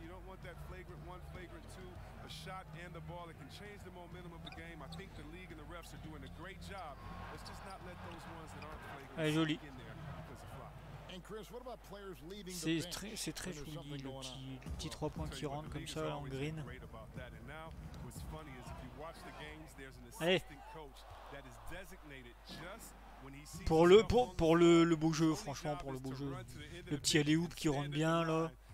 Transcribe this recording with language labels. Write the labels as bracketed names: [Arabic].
[English] You don't want that flagrant one, flagrant two, a shot and the ball. It can change the momentum of the game. I think the league and the refs are doing a great job. Let's just not let those ones that aren't flagrant get in there because of flop. And Chris, what about players leaving the bench? [French] C'est très joli, le petit 3 points qui rentre comme ça en green. [English] And now, what's funny is if you watch the games, there's an assistant coach that is designated just. [French] Pour le beau jeu, franchement, pour le beau jeu. Le petit alley-oop qui rentre bien, là.